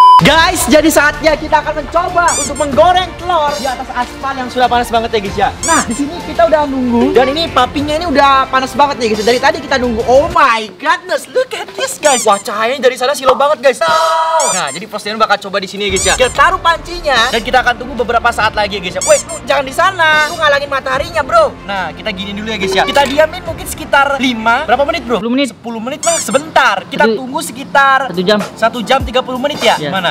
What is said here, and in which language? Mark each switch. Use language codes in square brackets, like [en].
[id] Guys, jadi saatnya kita akan mencoba untuk menggoreng telur di atas aspal yang sudah panas banget ya guys ya. Nah, di sini kita udah nunggu dan ini papinya ini udah panas banget nih guys. Dari tadi kita nunggu. [en] Oh my goodness, look at this guys. [id] Wah, cahayanya dari sana silau banget guys. Nah, jadi Frost Dian bakal coba di sini ya guys ya. Kita taruh pancinya dan kita akan tunggu beberapa saat lagi ya guys ya. Woi, lu jangan di sana. Lu ngalangin mataharinya, bro. Nah, kita gini dulu ya guys ya. Kita diamin mungkin sekitar 5. Berapa menit, bro? 10 menit. 10 menit mah sebentar. Kita tunggu sekitar 1 jam. 1 jam 30 menit ya. Yeah. Gimana?